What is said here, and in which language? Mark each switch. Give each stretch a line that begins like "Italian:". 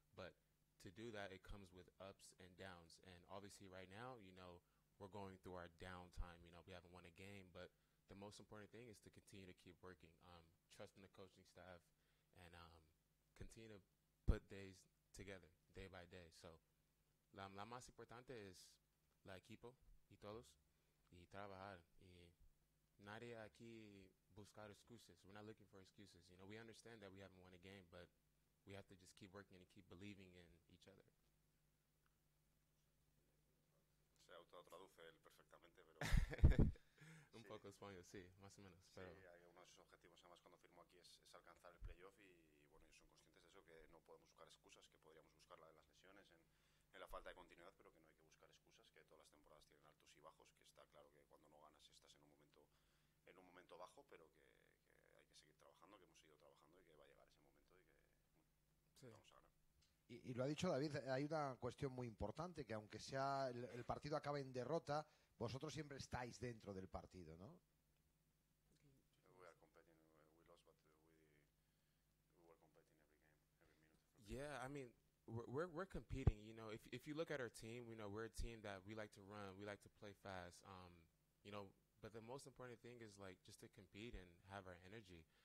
English: But to do that, it comes with ups and downs. And obviously right now, you know, we're going through our downtime. You know, we haven't won a game. But the most important thing is to continue to keep working, trusting the coaching staff, and continue to put days together day by day.
Spanish: So la más importante es la equipo y todos y trabajar. Y nadie aquí buscar
English: excuses. We're not looking for excuses. You know, we understand that we haven't won a game, but we have to just keep working and keep believing in each other.
Spanish: Se autotraduce él perfectamente, pero... Un sí. Poco español, sí, más o menos. Sí, pero... uno de sus objetivos, además, cuando firmó aquí, es alcanzar el playoff y bueno, ellos son conscientes de eso, que no podemos buscar excusas, que podríamos buscar la de las lesiones, en la falta de continuidad, pero que no hay que buscar excusas, que todas las temporadas tienen altos y bajos, que está claro que cuando no ganas estás en un momento bajo, pero que hay que seguir trabajando, que hemos seguido trabajando y que va a llegar ese momento y que... Sí. Y lo ha dicho David, hay una cuestión muy importante, que aunque sea el partido acabe en derrota, vosotros siempre estáis dentro del partido, ¿no?
English: We are competing, we lost, but we were competing every game, every minute. Yeah, I mean, we're competing, you know, if you look at our team, you know, we're a team that we like to run, we like to play fast, you know, but the most important thing is like just to compete and have our energy.